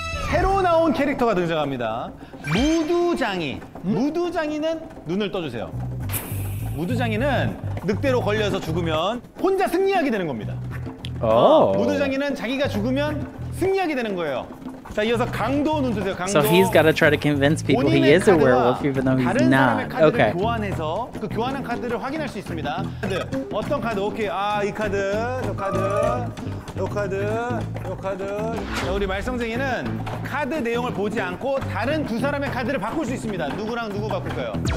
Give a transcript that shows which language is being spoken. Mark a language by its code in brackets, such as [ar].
[ko] 새로 나온 캐릭터가 등장합니다. 무두장이. 무두장이는 눈을 떠주세요. 무두장이는 늑대로 걸려서 죽으면 혼자 승리하게 되는 겁니다. 무두장이는 자기가 죽으면 승리하게 되는 거예요. 자, 이어서 강도 눈 뜨세요. 강도. [en] So he's got to try to convince people he is a werewolf even though he's not. [ko] 다른 사람의 카드를 okay. 교환해서 그 교환한 카드를 확인할 수 있습니다. 카드. 어떤 카드? 오케이. 아, 이 카드. 저 카드. 요 카드, 요 카드. 자, 우리 말썽쟁이는 카드 내용을 보지 않고 다른 두 사람의 카드를 바꿀 수 있습니다. 누구랑 누구 바꿀까요?